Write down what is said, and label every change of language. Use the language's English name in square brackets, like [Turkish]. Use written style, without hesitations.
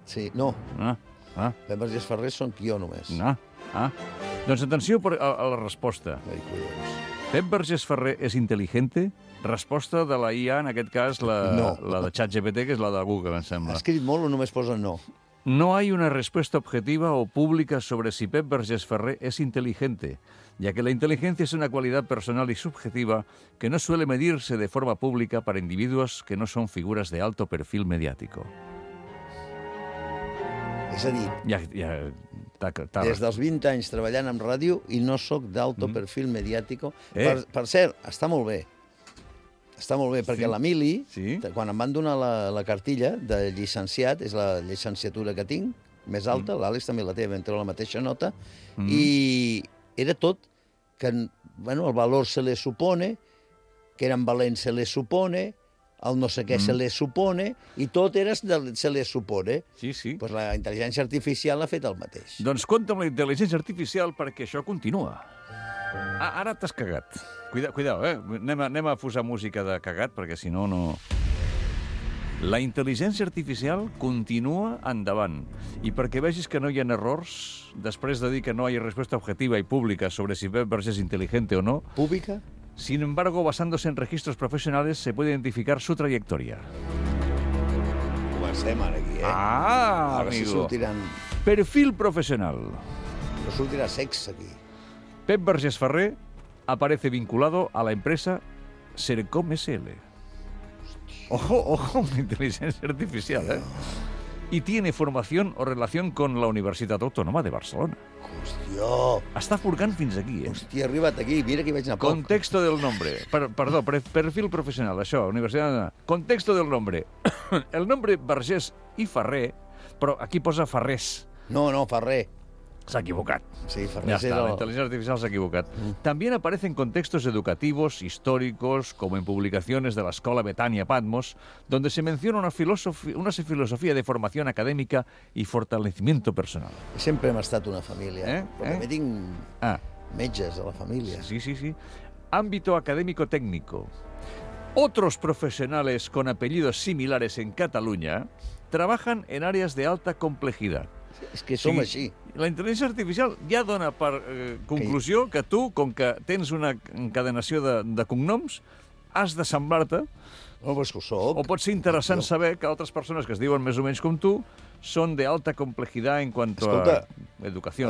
[Catalan] Sí, no. Pep Vergés Ferrer són jo només. Doncs atenció a la resposta. Ai, collons. Pep Vergés Ferrer és intel·ligente? Resposta de la IA, en aquest cas, la de ChatGPT, que és la de Google, em sembla. Ha escrit molt o només posa no? [Spanish] No hay una respuesta objetiva o pública sobre si Pep Vergés Ferrer es inteligente, ya que la inteligencia es una cualidad personal y subjetiva que no suele medirse de forma pública para individuos que no son figuras de alto perfil mediático. [Catalan] És a dir, ja, des dels 20 anys treballant en ràdio i no soc d' [Spanish] alto perfil mediático. [Catalan] Per cert, està molt bé. Està molt bé, perquè sí. L'Emili, sí. Quan em van donar la cartilla de llicenciat, és la llicenciatura que tinc, més alta, l'Àlex també la té, vam treure la mateixa nota, i era tot que, bueno, [Spanish] el valor se le supone, [Catalan] que era en valent se le supone, el no sé què se le supone, i tot era se le supone. Sí, sí. Pues la intel·ligència artificial ha fet el mateix. Doncs compta amb la intel·ligència artificial perquè això continua. Ara t'has cagat. Cuidao, anem a posar música de cagat, perquè si no, no... La intel·ligència artificial continua endavant. I perquè vegis que no hi ha errors, després de dir que no hi ha resposta objetiva i pública sobre si Pep Vergés és intel·ligente o no... Pública? [Spanish] Sin embargo, basándose en registros profesionales, se puede identificar su trayectoria. [Catalan] Comencem ara aquí, eh? [Spanish] Ah, amigo. [Catalan] Si sortiran... Perfil professional. No sortirà sex aquí. [Spanish] Pep Vergés Ferrer aparece vinculado a la empresa Sercom SL. Ojo, inteligencia artificial, ¿eh? Y tiene formación o relación con la Universitat Autònoma de Barcelona. [Catalan] Hostia. Està furgant fins aquí, ¿eh? Hostia, arriba't aquí, mira que vaig anar poc. [Spanish] Contexto del nombre. [Catalan] Perfil profesional, això, Universitat Autònoma. [Spanish] Contexto del nombre. El nombre [Catalan] Vergés i Ferrer, però aquí posa Ferrés. No, Ferrer. S'ha equivocat. Sí, ja està, la intel·ligència artificial s'ha equivocat. [Spanish] También aparece en contextos educativos, históricos, como en publicaciones de la Escola Betania Patmos, donde se menciona una filosofía de formación académica y fortalecimiento personal. [Catalan] Sempre hem estat una família. Perquè tinc metges a la família. [Spanish] Sí. Ámbito académico-técnico. Otros profesionales con apellidos similares en Cataluña trabajan en áreas de alta complejidad. [Catalan] És que som així. La intel·ligència artificial ja dona per conclusió que tu, com que tens una encadenació de cognoms, has de semblar-te... No, però és que ho soc. O pot ser interessant saber que altres persones que es diuen més o menys com tu són d'alta complexitat en quant a educació.